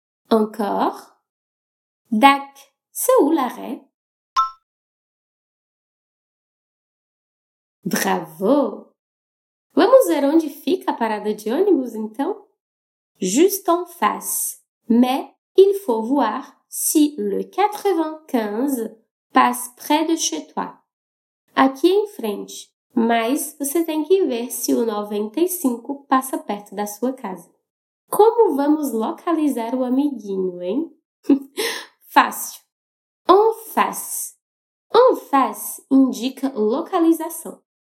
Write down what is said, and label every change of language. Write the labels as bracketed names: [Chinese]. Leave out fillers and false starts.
[French] Encore. Dak, c'est où l'arrêt? Bravo! [Portuguese] Vamos ver onde fica a parada de ônibus, então? [French] Juste en face. Mais il faut voir si le 95 passe près de chez toi. [Portuguese] Aqui em frente. Mas você tem que ver se o 95 passa perto da sua casa. Como vamos localizar o amiguinho, hein? Fácil. En face. En face indica localização.